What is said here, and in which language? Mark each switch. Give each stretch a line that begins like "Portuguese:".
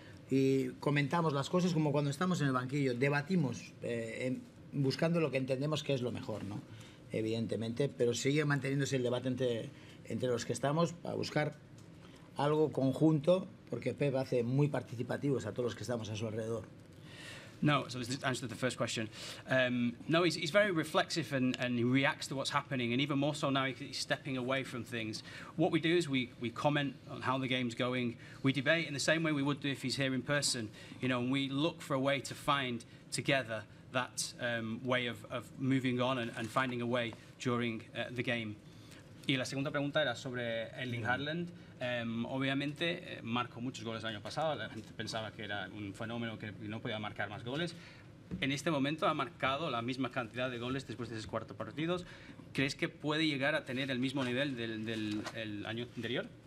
Spanish: Y comentamos las cosas como cuando estamos en el banquillo, debatimos buscando lo que entendemos que es lo mejor, ¿no? Evidentemente, pero sigue manteniéndose el debate entre los que estamos para buscar algo conjunto, porque Pep hace muy participativos a todos los que estamos a su alrededor.
English: No, so this is the answer to the first question. No, he's very reflexive and he reacts to what's happening, and even more so now he's stepping away from things. What we do is we comment on how the game's going. We debate in the same way we would do if he's here in person. You know, and we look for a way to find together that way of moving on and finding a way during the game.
Spanish: Y la segunda pregunta era sobre Erling Haaland. Obviamente marcó muchos goles el año pasado, la gente pensaba que era un fenómeno, que no podía marcar más goles. En este momento ha marcado la misma cantidad de goles después de esos cuatro partidos. ¿Crees que puede llegar a tener el mismo nivel del el año anterior?